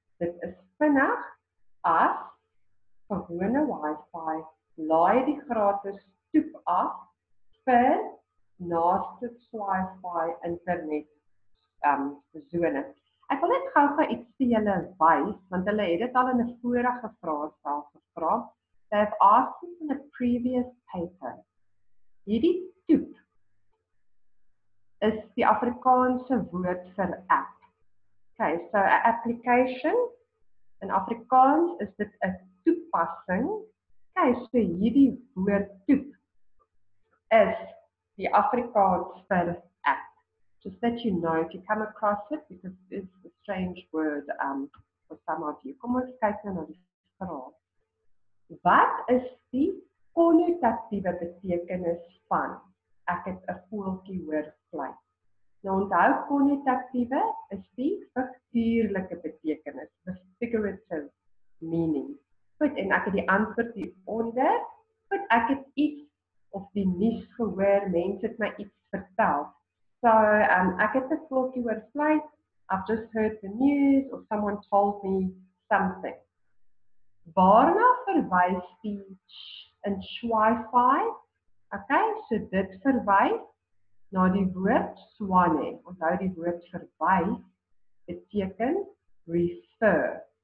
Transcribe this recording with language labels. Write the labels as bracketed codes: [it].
[af] Dit is vinnig as gewone wifi, laai die gratis toep af vir naaste wifi internet sone. Ek wil net gou vir iets vir julle wys, want hulle het dit al in 'n vorige vraestel gevra. [en] They have asked this in a previous paper. [af] Hierdie toep is die Afrikaanse woord vir app. [en] Okay, so a application in Afrikaans [af] is dit 'n toepassing. Okay, so hierdie woord toep is die Afrikaans vir app. [en] Just that you know if you come across it, because it's a strange word for some of you. [af] Kom ons kyk nou na die vraag. Wat is die konnotatiewe betekenis van ek het 'n voeltjie hoor fluit? Nou onthou, konnotatiewe is die figuurlike betekenis, [en] the figurative meaning. [af] Goed, en ek het die antwoord hieronder. Goed, ek het iets of die nuus gehoor, mense het my iets vertel. So, ek het 'n voeltjie hoor fluit. [en] I've just heard the news or someone told me something. [af] Waarna verwys die in wifi? Okay, so dit verwys na die woord swane. Onthou die woord verwys beteken refer.